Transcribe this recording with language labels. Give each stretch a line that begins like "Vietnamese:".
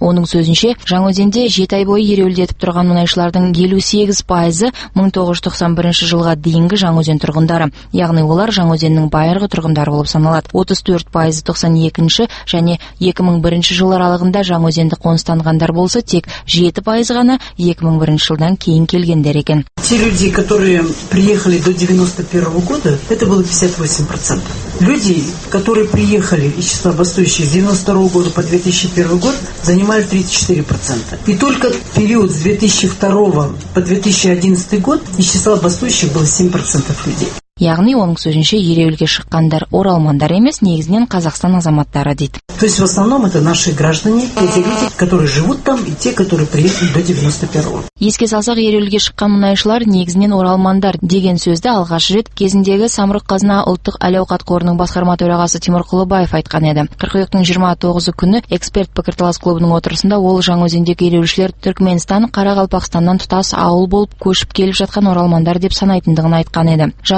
Kazakh: Оның сөзінше, Жаңаөзенде 7 ай бойы ереуілдетіп тұрған мұнайшылардың 58% 1991 жылға дейінгі Жаңаөзен тұрғындары, яғни олар Жаңаөзеннің байырғы тұрғындары болып саналады. 34% 92 және 2001 жыл аралығында Жаңаөзенді қоныстанғандар болса, тек 7% ғана 2001 жылдан кейін келгендер екен.
Russian: Те люди, которые приехали до 91 года, это было 58%. Люди, которые приехали из числа бастующих с 92 года по 2001 год, занимали 34%. И только период с 2002 по 2011 год из числа бастующих было 7% людей.
Kazakh: Яғни оның сөзінше ереуілге шыққандар оралмандар емес, негізінен Қазақстан азаматтары, дейді.
Russian: То есть в основном это наши граждане, эти люди, которые живут там и те, которые приехали до 91-го.
Kazakh: Еске салсақ, ереуілге шыққан мұнайшылар негізінен оралмандар деген сөзді алғаш рет кезіндегі Самұрық-Қазына ұлттық әл-ауқат қорының басқарма төрағасы Тимур Құлыбаев айтқан еді. 42-тің 29-ы күні эксперт пікірталас клубының отырысында ол Жаңаөзендегі ереуілшілер Түркменстан, Қарақалпақстаннан тұтас ауыл болып көшіп келіп жатқан оралмандар деп санайтындығын айтқан еді.